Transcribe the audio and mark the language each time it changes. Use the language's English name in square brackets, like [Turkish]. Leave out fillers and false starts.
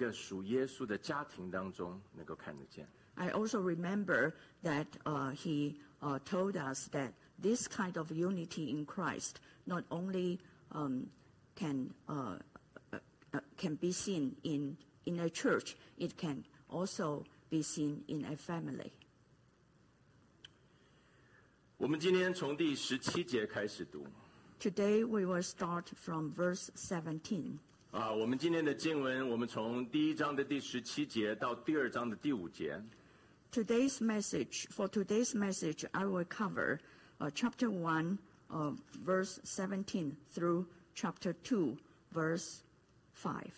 [Chinese] 然后我记得他同样说，这样的合一不但在属于耶稣的教会里面能够看得见，同样的，在一个属耶稣的家庭当中能够看得见。 [English] I also remember that he told us that this kind of unity in Christ not only can be seen in a church, it can also be seen in a family. [Chinese] 我们今天从第十七节开始读。 [English] Today we will start from verse 17. [Chinese] 我们今天的经文，我们从第一章的第十七节到第二章的第五节。 [English] Today's message, for today's message, I will cover chapter 1, verse 17 through chapter 2, verse 17.